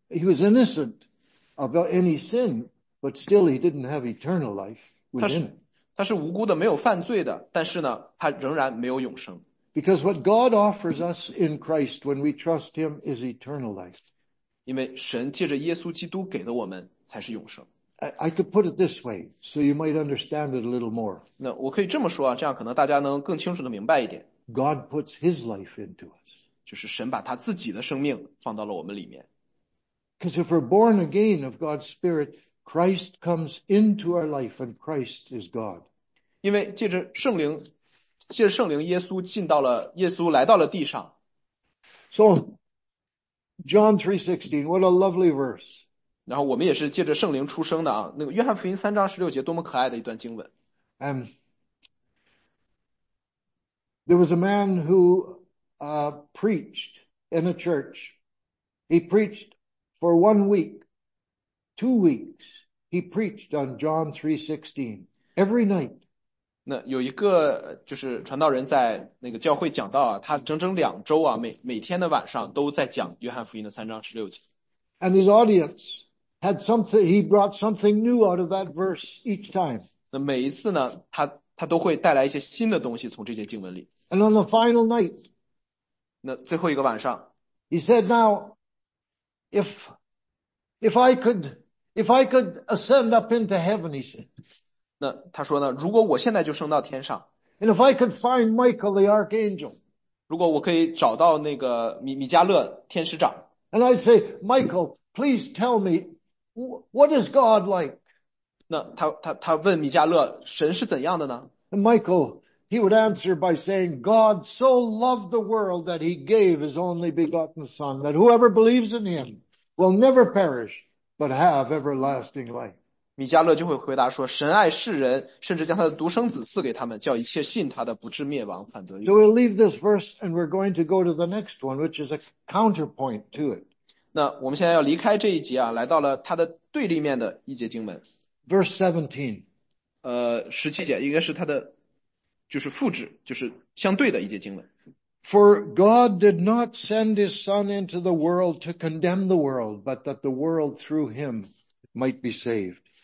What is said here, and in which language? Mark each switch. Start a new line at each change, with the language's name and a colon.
English: He was innocent of any sin, but still he didn't have eternal life within him.
Chinese: 他是无辜的,没有犯罪的,但是呢,他仍然没有永生。
English: Because what God offers us in Christ when we trust Him is eternal life.
Chinese: 因为神借着耶稣基督给的我们才是永生。
English: I could put it this way, so you might understand it a little more.
Chinese: 那我可以这么说,这样可能大家能更清楚地明白一点。
English: God puts His life into us.
Chinese: 就是神把他自己的生命放到了我们里面。
English: Because if we're born again of God's Spirit, Christ comes into our life and Christ is God.
Chinese: 因为借着圣灵, 借着圣灵耶稣进到了, 耶稣来到了地上。
English: So, John 3:16, what a lovely verse.
Chinese: 然后我们也是借着圣灵出生的啊, 那个约翰福音3章16节, 多么可爱的一段经文。
English: And there was a man who preached in a church. He preached for 1 week, 2 weeks. He preached on John 3:16 every night.
Chinese: 那有一个就是传道人在那个教会讲到啊，他整整2周啊，每天的晚上都在讲约翰福音的3章16节。
English: And his audience had something, he brought something new out of that verse each time.
Chinese: 那每一次呢，他都会带来一些新的东西从这些经文里。
English: And on the final night,
Chinese: 那最后一个晚上,
English: he said, now, if I could ascend up into heaven, he said,
Chinese: 那他说呢,如果我现在就升到天上,
English: and if I could find Michael the archangel,
Chinese: 如果我可以找到那个米迦勒天使长,
English: and I'd say, Michael, please tell me, what is God like?
Chinese: 那他问米迦勒,神是怎样的呢?
English: And Michael, he would answer by saying, God so loved the world that he gave his only begotten son, that whoever believes in him will never perish, but have everlasting life.
Chinese: 米迦勒就会回答说, 神爱世人, 甚至将他的独生子赐给他们, 叫一切信他的不至灭亡, 反得永生。
English: So we'll leave this verse and we're going to go to the next one, which is a counterpoint to it.
Chinese: 那我们现在要离开这一节啊, 来到了他的对立面的一节经文。
English: Verse 17.
Chinese: 17节, 应该是他的, 就是复制, 就是相对的一节经文。
English: For God did not send his son into the world to condemn the world, but that the world through him might be saved.